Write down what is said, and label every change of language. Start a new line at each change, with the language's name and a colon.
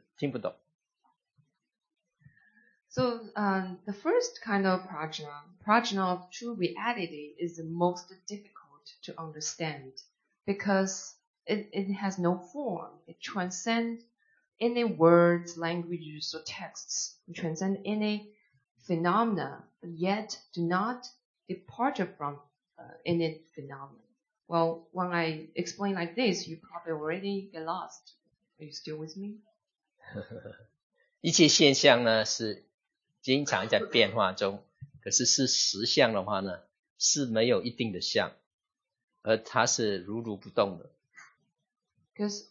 Chinese: 超越一切现象，可是呢，它又没有离开一切的现象。这样子讲，大家就已经懵了，可能是什么意思？听不懂。
English: So the first kind of prajna of true reality is the most difficult to understand because it has no form. It transcends any words, languages, or texts. It transcends any phenomena, but yet do not depart from any phenomena. Well, when I explain like this, you probably already get lost. Are you still with me?
Chinese: 一切现象呢是经常在变化中，可是是实相的话呢是没有一定的相，而它是如如不动的。
English: Because